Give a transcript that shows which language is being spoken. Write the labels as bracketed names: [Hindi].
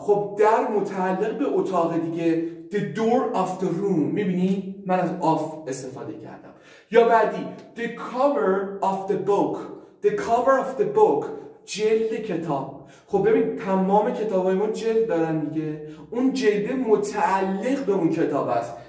[Persian] خب در متعلق به اتاق دیگه، [English] The door of the room. [Persian] میبینی؟ من از off استفاده کردم. یا بعدی [English] The cover of the book. [Persian] جلد کتاب. خب ببین تمام کتابای ما جلد دارن دیگه، اون جلد متعلق به اون کتاب است.